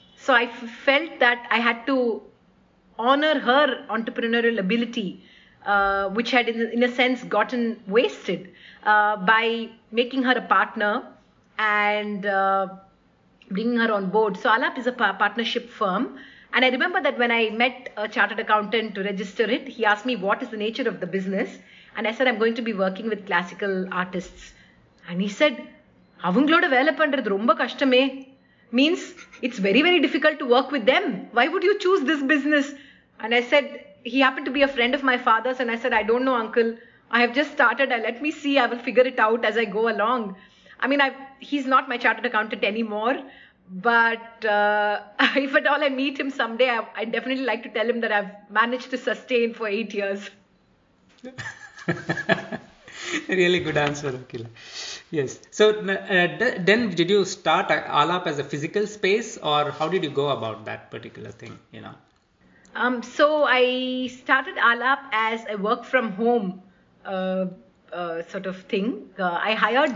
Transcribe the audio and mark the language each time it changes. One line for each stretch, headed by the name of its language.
English: So I felt that I had to honor her entrepreneurial ability, which had in a sense gotten wasted by making her a partner and bringing her on board. So Alap is a partnership firm. And I remember that when I met a chartered accountant to register it, he asked me what is the nature of the business. And I said, I'm going to be working with classical artists. And he said,
Tamil: அவங்களோட வேலை பண்றது ரொம்ப கஷ்டமே.
English: Means it's very very difficult to work with them. Why would you choose this business? And I said, he happen to be a friend of my father's. And I said, I don't know uncle, I have just started, I let me see, I will figure it out as I go along. I mean, he is not my chartered accountant any more, but if at all I meet him someday, I definitely like to tell him that I manage to sustain for 8 years. Really good answer, Akila. Yes. So then did you start Alap as a physical space, or how did you go about that particular thing, you know? So I started Alap as a work from home sort of thing. I hired